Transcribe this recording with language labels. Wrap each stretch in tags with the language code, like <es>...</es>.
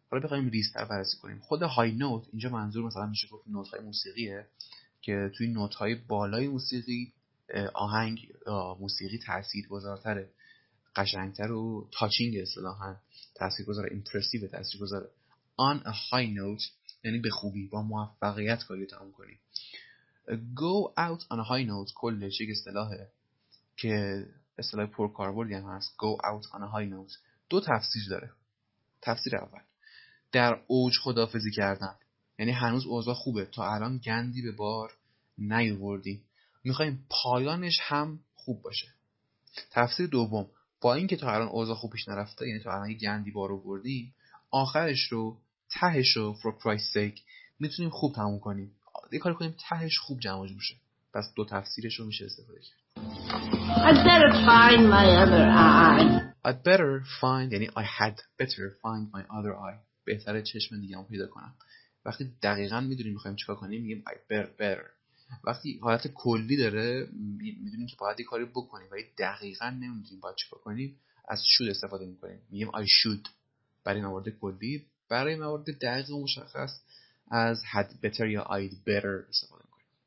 <fa>حالا بخوایم ریستر بررسی کنیم. خود های نوت اینجا منظور مثلا میشه گفت نوت های موسیقیه که توی نوت های بالای موسیقی آهنگ موسیقی تاثیرگذارتره، قشنگتر و تاچینگ اصطلاحا تاثیرگذار، ایمپرسیو تاثیرگذار.</fa> <en>On a high note</en> <fa>یعنی به خوبی با موفقیت کاری رو تموم کنیم.</fa> <en>Go out on a high note</en> <fa>کلش یک اصطلاحه که اصطلاح پرکاربردی هم هست.</fa> <en>Go out on a high note</en> <fa>دو تفسیر داره. تفسیر اول در اوج خدافزی کردن، یعنی هنوز اوضاع خوبه، تا الان گندی به بار نیوردی، میخواییم پایانش هم خوب باشه. تفسیر دوم با این که تا الان اوضاع خوب پیش نرفته، یعنی تا الان گندی بار رو بردیم، آخرش رو تهش رو</fa> <en>for Christ's sake</en> <fa>میتونیم خوب تموم کنیم، یه کاری کنیم تهش خوب جمع جور بشه. پس دو تفسیرش رو میشه استفاده کرد.</fa> <en>I'd better find my other eye. I'd better find یعنی I had better find my other eye.</en> <fa>بهتره چشم دیگه‌مو پیدا کنم. وقتی دقیقاً میدونیم میخوایم چیکار کنیم میگیم</fa> <en>I'd better.</en> <fa>وقتی حالت کلی داره میدونیم که باید یه کاری بکنیم ولی دقیقاً نمیدونیم باید چیکار کنیم از should استفاده میکنیم. میگیم I should برای موارد کلی، برای موارد دقیق و مشخص از</fa> <en>had better</en> <fa>یا</fa> <en>I'd better</en> <fa>استفاده کنید.</fa>